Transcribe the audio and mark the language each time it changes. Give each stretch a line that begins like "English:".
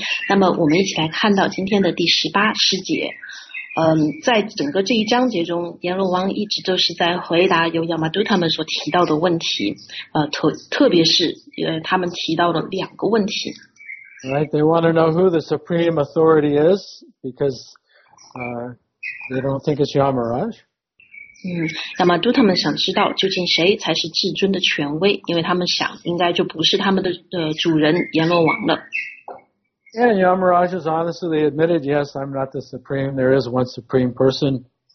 Chinese: 那么我们一起来看到今天的第十八诗节。在整个这一章节中，阎罗王一直都是在回答由亚玛杜他们所提到的问题，特别是他们提到了两个问题。
English: Right, they want to know who the supreme authority is because, they don't think it's Yamaraj.
Chinese: 亚玛杜他们想知道究竟谁才是至尊的权威，因为他们想应该就不是他们的主人阎罗王了。
English: And Yamaraj has honestly admitted, yes, I'm not the supreme, there is one supreme person.